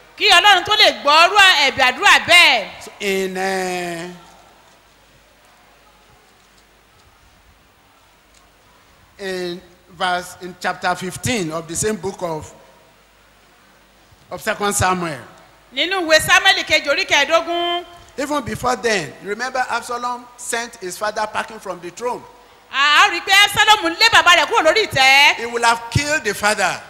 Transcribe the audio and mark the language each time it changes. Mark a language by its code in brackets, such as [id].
[yo] Kí Ọlọ́run tó lè gbọ́rú ẹ̀bẹ̀ àdúrà bẹ́ẹ̀. [en] In in chapter 15 of the same book of 2 Samuel. [yo] Nínú ìwé Sámuẹlì kejì orí kẹẹ̀ẹ́dógún. [en] Even before then, remember Absalom sent his father packing from the throne. [yo] A rí pé Absalom lé bàbá rẹ̀ kúrò lórí ìtẹ́. [en] He would have killed the father.